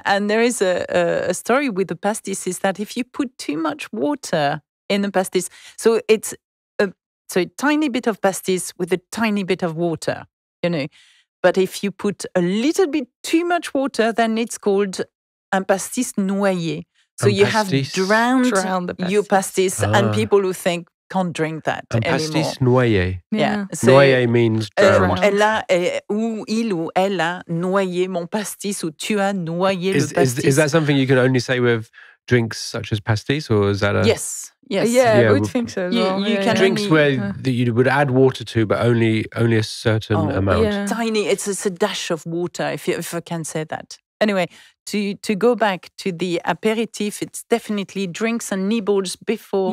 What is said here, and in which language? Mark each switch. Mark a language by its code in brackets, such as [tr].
[en] And there is a story with the pastis is that if you put too much water in the pastis, so it's a tiny bit of pastis with a tiny bit of water, you know. But if you put a little bit too much water, then it's called un pastis noyé. So you have drowned the pastis. Your pastis and people who think can't drink that anymore. [fr] Pastis noyé. [en] Yeah. Noyé means drowned. [fr] Il ou elle a noyé mon pastis ou tu as noyé le pastis. [en] Is that something you can only say with drinks such as pastis or is that a... Yes. I would think so. Drinks where you would add water to, but only a certain amount. Yeah. Tiny. It's a dash of water, if I can say that. Anyway, to go back to the apéritif, it's definitely drinks and nibbles before.